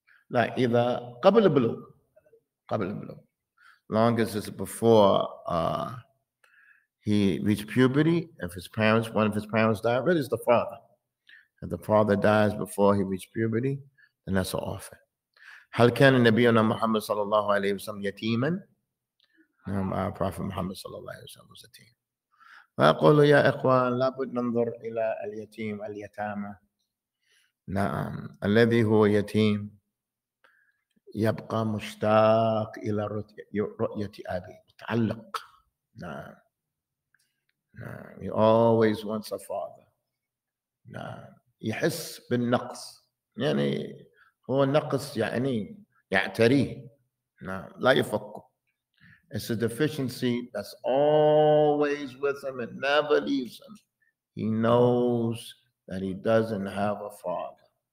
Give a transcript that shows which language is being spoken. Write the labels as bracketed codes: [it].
[ar] لا إذا قبل البلوغ. قبل البلوغ. [en] Long as it's before he reached puberty, if his parents, one of his parents died, really is the father. If the father dies before he reached puberty, then that's an orphan. [ar] هل كان نبينا محمد صلى الله عليه وسلم يتيما؟ نعم، [en] our prophet Muhammad [ar] صلى الله عليه وسلم [en] was a teen. [ar] فأقول يا إخوان لابد ننظر إلى اليتيم اليتامى. نعم، الذي هو يتيم يبقى مشتاق إلى رؤية أبي، متعلق. نعم. نعم. [en] He always wants a father. [ar] نعم. يحس بالنقص، يعني هو نقص يعني يعتريه. نعم لا يفكه. [en] It's a deficiency that's always with him and never leaves him. He knows that he doesn't have a father.